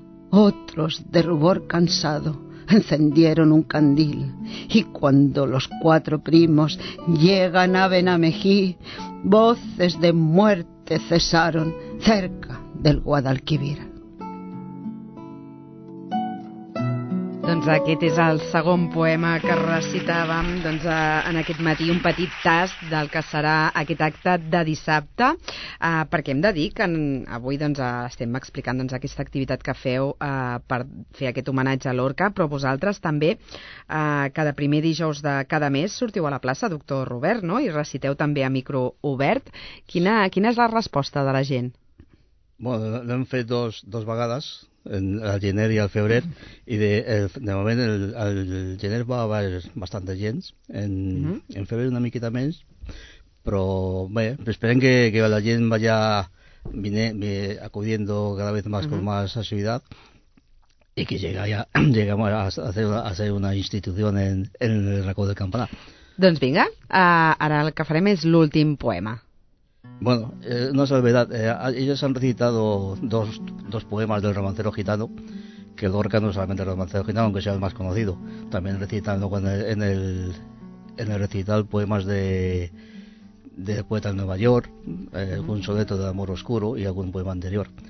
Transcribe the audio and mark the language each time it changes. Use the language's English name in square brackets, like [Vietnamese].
[Spanish] Otros, de rubor cansado, encendieron un candil. Y cuando los cuatro primos llegan a Benamejí, voces de muerte cesaron cerca del Guadalquivir. [Catalan] Doncs aquest és el segon poema que recitàvem doncs, en aquest matí, un petit tast del que serà aquest acte de dissabte, perquè hem de dir que avui doncs, estem explicant doncs, aquesta activitat que feu per fer aquest homenatge a Lorca, però vosaltres també cada primer dijous de cada mes sortiu a la plaça, doctor Robert, no? I reciteu també a micro obert. Quina és la resposta de la gent? Bueno, l'hem fet dos vegades, al gener i al febrer, i de moment el gener va haver bastanta gent, en febrer una miqueta més, però bé, esperem que la gent [Spanish] vaya acudiendo cada vez más con más asiduidad y que lleguemos a ser una [Catalan] institució en el racó del Campanar. Doncs vinga, ara el que farem és l'últim poema. [Spanish] Bueno, una salvedad. Ellos han recitado dos poemas del romancero gitano, que Lorca no solamente el romancero gitano, aunque sea el más conocido, también recitando en el recital poemas de poeta en Nueva York, algún soneto de amor oscuro y algún poema anterior.